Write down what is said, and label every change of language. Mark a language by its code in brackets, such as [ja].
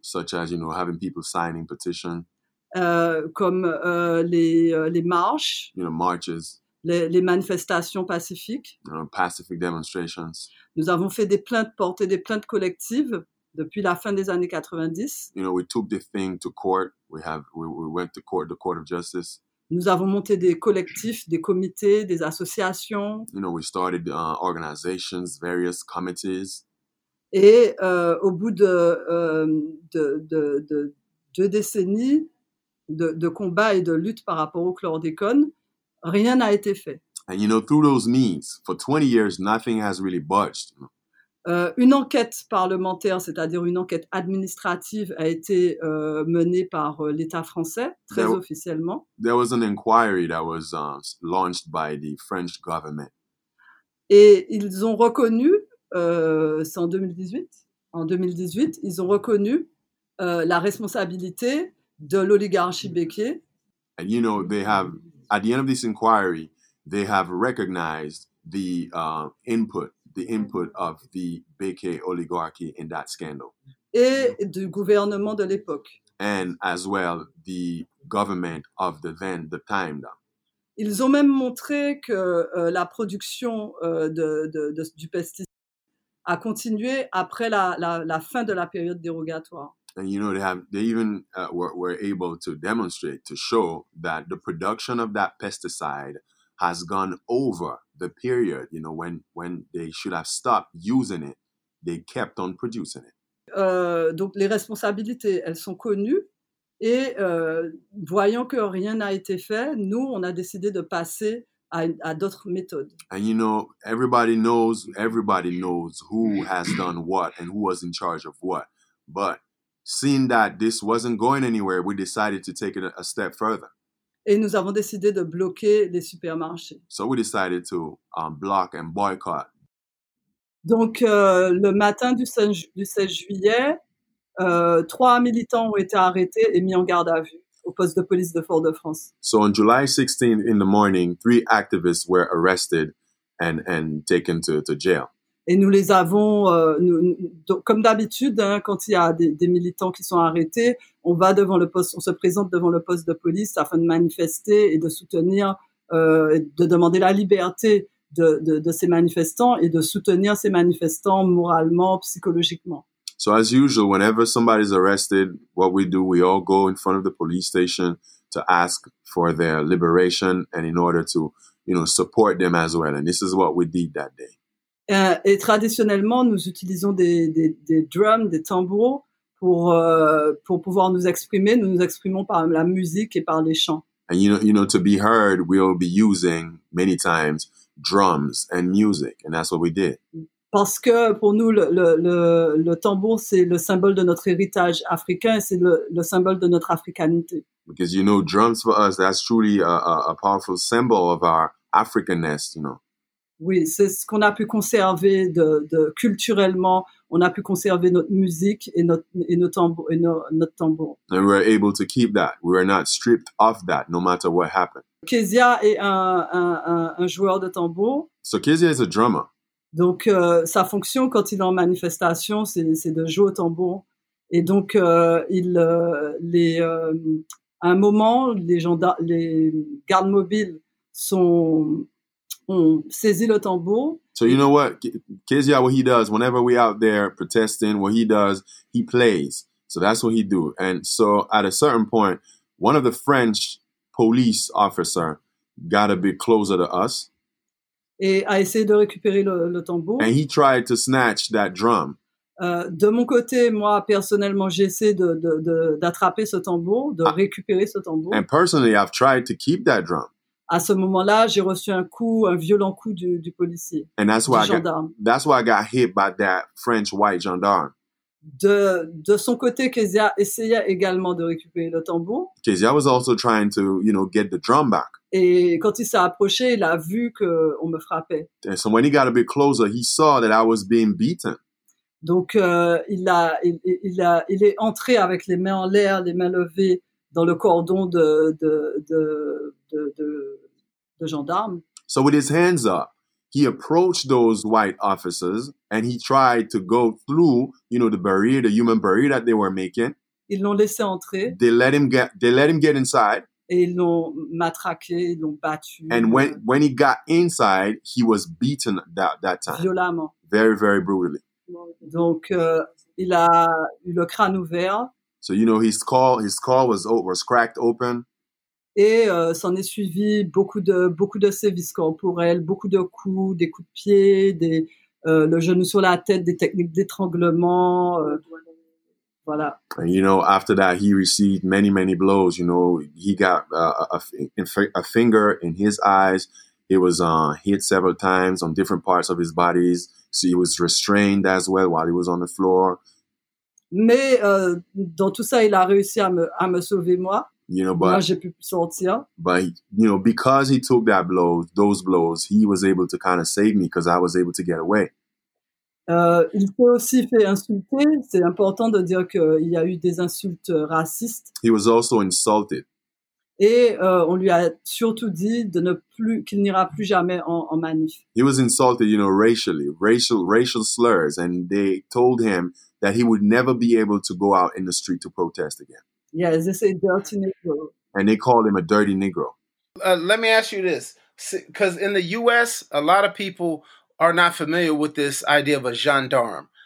[en] such as having people signing petitions. [fr] Comme les marches, marches, les manifestations pacifiques, [en] pacific demonstrations. [fr] Nous avons fait des plaintes, porté des plaintes collectives depuis la fin des années 90. [en] We took the thing to court. We went to court, the court of justice. [fr] Nous avons monté des collectifs, des comités, des associations. [en] We started organizations, various committees. [fr] Et au bout de deux décennies de combat et de lutte par rapport au chlordécone, rien n'a été fait. [en] And through those means, for 20 years, nothing has really budged. [fr] Une enquête parlementaire, c'est-à-dire une enquête administrative, a été menée par l'État français, très officiellement. [en] There was an inquiry that was launched by the French government. [fr] Et ils ont reconnu, en 2018, ils ont reconnu la responsabilité de l'oligarchie Bekier. [en] And they have, at the end of this inquiry, they have recognized the input of the Bekier oligarchy in that scandal. [fr] Et du gouvernement de l'époque. [en] And as well, the government of the time. [fr] Ils ont même montré que la production du pesticide a continué après la fin de la période dérogatoire. [en] And they were able to demonstrate, to show that the production of that pesticide has gone over the period, when they should have stopped using it, they kept on producing it. [fr] Donc les responsabilités, elles sont connues. Et voyant que rien n'a été fait, nous, on a décidé de passer à d'autres méthodes. [en] And everybody knows who has done what and who was in charge of what. But seeing that this wasn't going anywhere, we decided to take it a step further. [fr] Et nous avons décidé de bloquer les supermarchés. [en] So we decided to block and boycott. [fr] Donc, le matin du 16 juillet, trois militants ont été arrêtés et mis en garde à vue au poste de police de Fort-de-France. [en] So on July 16th in the morning, three activists were arrested and taken to jail. [fr] Et nous les avons, comme d'habitude, quand il y a des militants qui sont arrêtés, on va devant le poste, on se présente devant le poste de police afin de manifester et de soutenir, de demander la liberté de ces manifestants et de soutenir ces manifestants moralement, psychologiquement. [en] So as usual, whenever somebody's arrested, what we do, we all go in front of the police station to ask for their liberation and in order to, you know, support them as well. And this is what we did that day. [fr] Et traditionnellement, nous utilisons des drums, des tambours pour pouvoir nous exprimer. Nous nous exprimons par la musique et par les chants. [en] And you know, to be heard, we'll be using many times drums and music, and that's what we did. [fr] Parce que pour nous, le tambour, c'est le symbole de notre héritage africain, c'est le symbole de notre africanité. [en] Because you know, drums for us, that's truly a powerful symbol of our Africanness, you know. [fr] Oui, c'est ce qu'on a pu conserver de culturellement. On a pu conserver notre musique et notre tambour. [en] And we were able to keep that. We were not stripped of that, no matter what happened. [fr] Kezia est un joueur de tambour. [en] So Kezia is a drummer. [fr] Donc sa fonction quand il est en manifestation, c'est de jouer au tambour. Et donc à un moment, les gardes mobiles ont saisi le tambour. [en] So you know what, Kezia, what he does, whenever we're out there protesting, what he does, he plays. So that's what he do. And so at a certain point, one of the French police officer got a bit closer to us. [fr] Et a essayé de récupérer le tambour. [en] And he tried to snatch that drum. [fr] De mon côté, moi, personnellement, j'essaie d'attraper ce tambour, récupérer ce tambour. [en] And personally, I've tried to keep that drum. [fr] À ce moment-là, j'ai reçu un violent coup du policier, [en] and that's why [fr] du gendarme. [en] That's why I got hit by that French white gendarme. [fr] De son côté, Kezia essayait également de récupérer le tambour. [en] Kezia was also trying to, you know, get the drum back. [fr] Et quand il s'est approché, il a vu que on me frappait. [en] And so when he got a bit closer, he saw that I was being beaten. [fr] Donc il est entré avec les mains en l'air, les mains levées. Dans le cordon de gendarmes. [en] So with his hands up, he approached those white officers and he tried to go through, you know, the barrier, the human barrier that they were making. [fr] Ils l'ont laissé entrer. [en] They let him get inside. [fr] Et ils l'ont matraqué, ils l'ont battu. [en] And when he got inside, he was beaten that time. [fr] Violemment. [en] Very, very brutally. [fr] Donc il a eu le crâne ouvert. [en] So you know his skull was cracked open. [fr] Et s'en est suivi beaucoup de sévices corporels, beaucoup de coups, des coups de pied, le genou sur la tête, des techniques d'étranglement. Voilà. [en] And you know, after that he received many, many blows, you know, he got a finger in his eyes. It was hit several times on different parts of his body. So he was restrained as well while he was on the floor. [fr] Mais dans tout ça, il a réussi à me sauver moi. [en] You know, but, [fr] moi, j'ai pu sortir. [en] But you know, because he took that blow, those blows, he was able to kind of save me because I was able to get away. [fr] Il s'est aussi fait insulter. C'est important de dire qu'il y a eu des insultes racistes. [en] He was also insulted. [fr] Et on lui a surtout dit de ne plus qu'il n'ira plus jamais en manif. [en] He was insulted, you know, racial slurs, and they told him that he would never be able to go out in the street to protest again. Yeah, they say dirty Negro. And they called him a dirty Negro. Let me ask you this, because in the U.S., a lot of people are not familiar with this idea of a gendarme.